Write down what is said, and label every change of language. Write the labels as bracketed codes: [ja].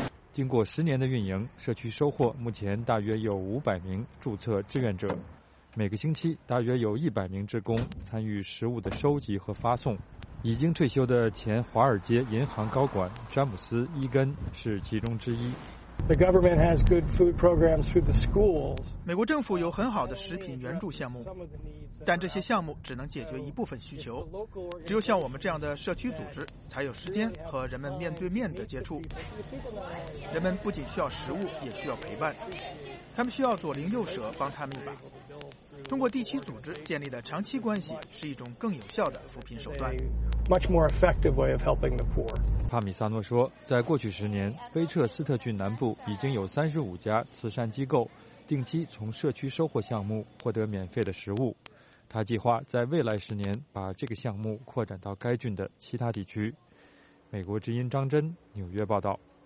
[zh] 经过10年的运营，社区收获目前大约有500名注册志愿者，每个星期大约有100名志工参与食物的收集和发送。已经退休的前华尔街银行高管詹姆斯·伊根是其中之一。 [en] The government has good food programs through the schools. [zh] 美国政府有很好的食品援助项目，但这些项目只能解决一部分需求。只有像我们这样的社区组织，才有时间和人们面对面的接触。人们不仅需要食物，也需要陪伴。他们需要左邻右舍帮他们一把。通过地区组织建立的长期关系，是一种更有效的扶贫手段。 [en] Much more effective way of helping the poor. [zh] 帕米萨诺说，在过去10年，威彻斯特郡南部已经有35家慈善机构定期从社区收获项目获得免费的食物。他计划在未来10年把这个项目扩展到该郡的其他地区。美国之音张真，纽约报道。